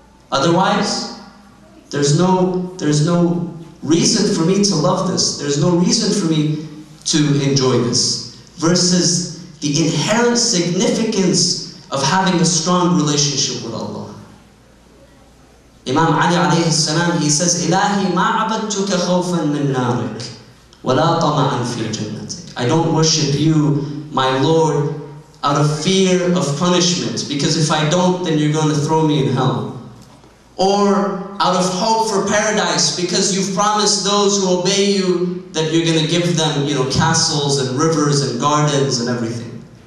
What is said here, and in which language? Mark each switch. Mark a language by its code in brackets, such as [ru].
[en] Otherwise, there's no reason for me to love this. There's no reason for me to enjoy this. Versus the inherent significance of having a strong relationship with Allah. [ar] Imam Ali alayhi salam, [en] he says, [ar] إِلَهِ مَا عَبَدْتُكَ خَوْفًا مِنْ نَارِكَ وَلَا طَمَعًا فِي جَنَّتِكَ. [en] I don't worship you, my Lord, out of fear of punishment, because if I don't, then you're going to throw me in hell. Or out of hope for paradise, because you've promised those who obey you that you're going to give them, you know, castles and rivers and gardens and everything.